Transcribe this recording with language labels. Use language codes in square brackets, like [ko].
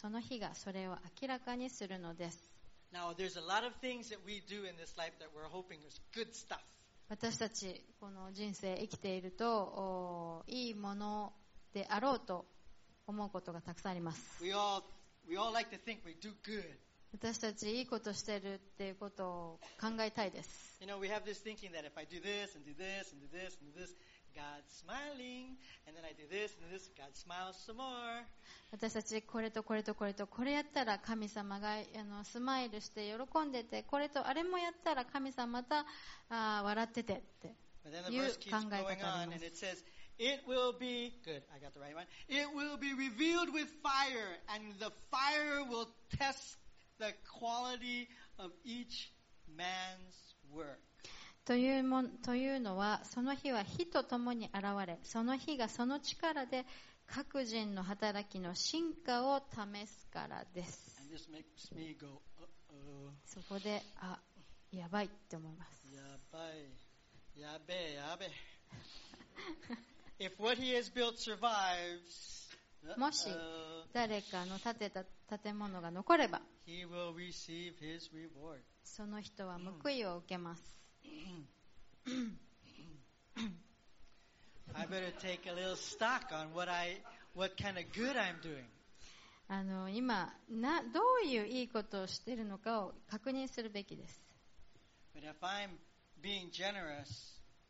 [ja] その日がそれを明らかにするのです。 [en] Now, there's a lot of things that we do in this life that we're hoping is good stuff. [ja] 私たちこの人生生きていると、いいものであろうと思うことがたくさんあります。 [en] We all like to think we do good. [ja] 私たちいいことしてるっていうことを考えたいです。 [en] You know, we have this thinking that if I do this and do this and do this and do this, God smiling, and then I do this and this. God smiles some more. [ja] 私たちこれとこれとこれとこれやったら神様がスマイルして喜んでて、これとあれもやったら神様また笑っててっていう考え方があります。 [en] It will be good. I got the right one. It will be revealed with fire, and the fire will test the quality of each man's work. [ja] というのは、その日は火とともに現れ、その日がその力で各人の働きの真価を試すからです。 [en] And this makes me go, [ja] そこで、あ、やばいって思います。やばい。やべえ、やべえ。 [en] If what he has built survives, [ja] もし誰かの建てた建物が残れば、 [en] he will receive his reward. [ja] その人は報いを受けます。 [en] I better take a little stock on what kind of good I'm doing. [ja] 今どういういいことをしているのかを確認するべきです。 [en] But if I'm being generous,